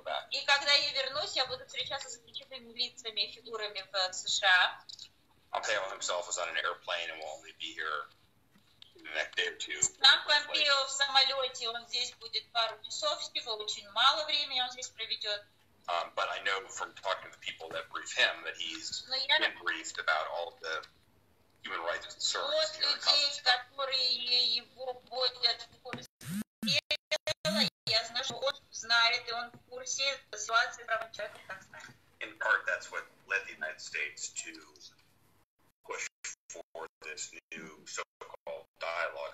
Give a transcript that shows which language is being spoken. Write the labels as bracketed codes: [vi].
[ru] И когда я вернусь, я буду встречаться с отличительными лицами и фигурами в США. [en] Помпео himself is on an airplane and will only be here the next day or two. [ru] Сам Помпео в самолете, он здесь будет пару часов всего, очень мало времени он здесь проведет. [en] But I know from talking to the people that brief him that he's been briefed about all of the human rights concerns. [ru] Вот людей, которые его будут в курсе дела, я знаю, что он знает, и он в курсе ситуации прав человека. [en] In part, that's what led the United States to push for this new so-called dialogue